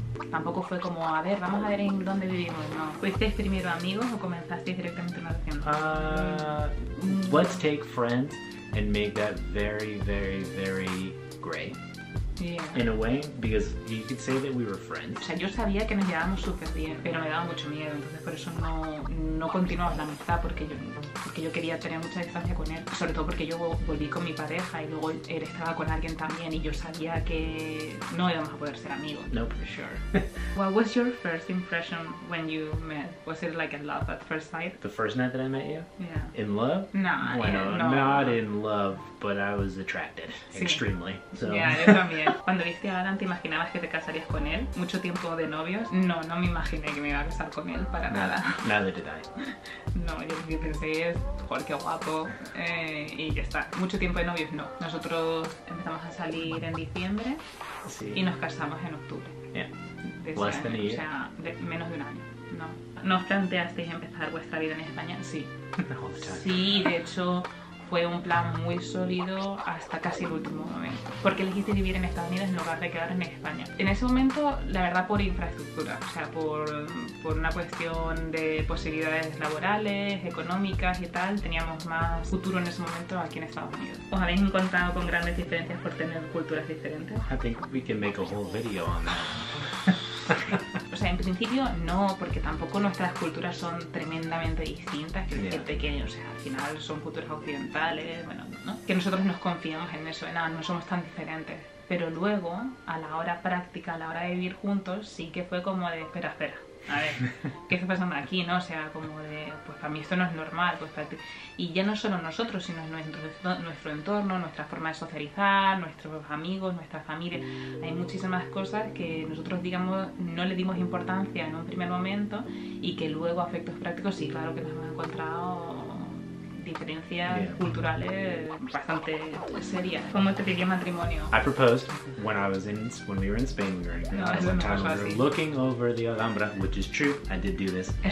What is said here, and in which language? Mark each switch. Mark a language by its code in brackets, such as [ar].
[es] Tampoco fue como, a ver, vamos a ver en dónde vivimos, ¿no? ¿Fuisteis primero amigos o comenzasteis directamente una relación? [en] Let's take friends and make that very, very, very gray. Yeah. In a way, because you could say that we were friends. [es] O sea, yo sabía que nos llevábamos súper bien, pero me daba mucho miedo. Entonces, por eso no continuamos la amistad, porque yo quería tener mucha distancia con él. Sobre todo porque yo volví con mi pareja y luego él estaba con alguien también y yo sabía que no íbamos a poder ser amigos. [en] No, for sure. What was your first impression when you met? Was it like a love at first sight? The first night that I met you? Yeah. In love? No, not in love, but I was attracted. [es] Sí. [en] Extremely. So. Yeah, [es] yo también. Cuando viste a Adam, ¿te imaginabas que te casarías con él? ¿Mucho tiempo de novios? No me imaginé que me iba a casar con él para nada. [en] Neither did I. [es] No, yo pensé, joder, qué guapo, y ya está. Mucho tiempo de novios, no. Nosotros empezamos a salir en diciembre, sí, y nos casamos en octubre. [en] Yeah. Less than a year. [es] O sea, menos de un año. No. ¿No os planteasteis empezar vuestra vida en España? Sí. [en] The whole time. [es] Sí, de hecho, fue un plan muy sólido hasta casi el último momento. Porque elegiste vivir en Estados Unidos en lugar de quedar en España. En ese momento, la verdad, por infraestructura, o sea, por una cuestión de posibilidades laborales, económicas y tal, teníamos más futuro en ese momento aquí en Estados Unidos. ¿Os habéis encontrado con grandes diferencias por tener culturas diferentes? [en] I think we can make a whole video on that. [es] O sea, en principio no, porque tampoco nuestras culturas son tremendamente distintas, que es pequeño, o sea, al final son culturas occidentales, bueno, ¿no? Que nosotros nos confiamos en eso, nada, no somos tan diferentes. Pero luego, a la hora práctica, a la hora de vivir juntos, sí que fue como de, espera, espera, a ver, ¿qué está pasando aquí, no? O sea, como de, pues para mí esto no es normal, pues para ti. Y ya no solo nosotros, sino nuestro entorno, nuestra forma de socializar, nuestros amigos, nuestra familia. Hay muchísimas cosas que nosotros, digamos, no le dimos importancia en un primer momento y que luego, a efectos prácticos, sí, claro que nos hemos encontrado diferencias culturales bastante serias. ¿Cómo te pidió matrimonio? [en] I proposed when we were in Spain, looking over the Alhambra, which is true, I did do this.